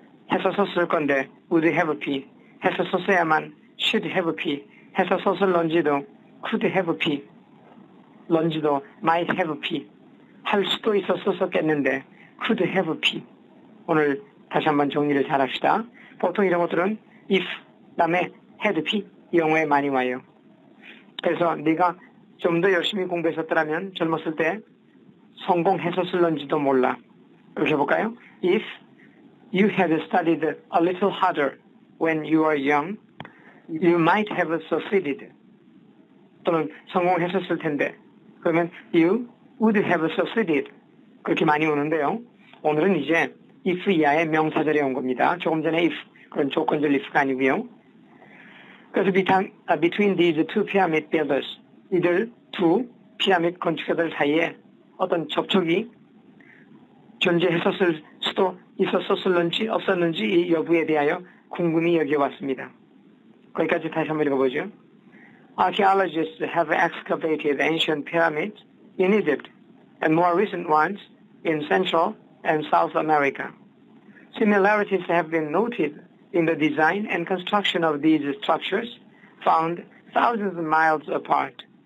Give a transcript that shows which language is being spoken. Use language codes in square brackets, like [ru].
[ko] 했었을 건데 [en] would have been [ko] 했었어야만 [en] should have been [ko] 했었을런지도 [en] could have been [ko] 런지도 [en] might have been [ko] 할 수도 있었었겠는데 [en] could have been. [ko] 오늘 다시 한번 정리를 잘 합시다. 보통 이런 것들은 if 다음에 had been 영어에 많이 와요. 그래서 네가 좀 더 열심히 공부했었더라면 젊었을 때 성공했었을런지도 몰라. 이렇게 해볼까요? [en] If you had studied a little harder when you were young, you might have succeeded. [ko] 또는 성공했었을 텐데. 그러면 [en] you would have succeeded. [ko] 그렇게 많이 오는데요. 오늘은 이제 if 이하의 명사절에 온 겁니다. 조금 전에 if, 그런 조건절 if가 아니고요. 그래서 [en] between these two pyramid builders, [ko] 이들 두 피라밋 건축가들 사이에 어떤 접촉이 존재했었을 수도 있었을런지 없었는지 이 여부에 대하여 궁금히 여겨왔습니다. 거기까지 다시 한번 읽어보죠. [en] Archaeologists have excavated ancient pyramids in Egypt and more recent ones in Central and South America. Similarities have been noted in the design and construction of these structures found thousands of miles apart.